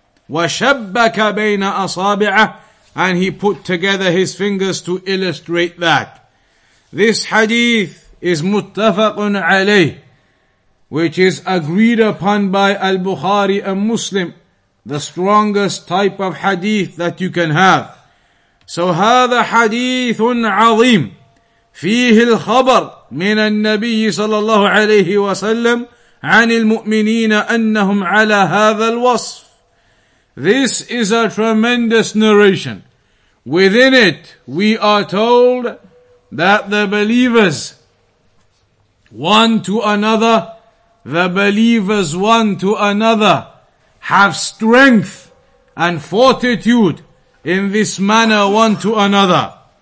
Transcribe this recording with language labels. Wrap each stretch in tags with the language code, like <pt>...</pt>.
<ar>وَشَبَّكَ بَيْنَ أَصَابِعَ,</ar> <en>and he put together his fingers to illustrate that. This hadith is muttafaqun alayh, which is agreed upon by Al-Bukhari and Muslim, the strongest type of hadith that you can have.</en> <ar>So هَذَا حَدِيثٌ عَظِيمٌ فيه الخبر من النبي صلى الله عليه وسلم عن المؤمنين أنهم على هذا الوصف.</ar> <en>This is a tremendous narration. Within it, we are told that the believers, one to another, the believers one to another, have strength and fortitude in this manner one to another.</en>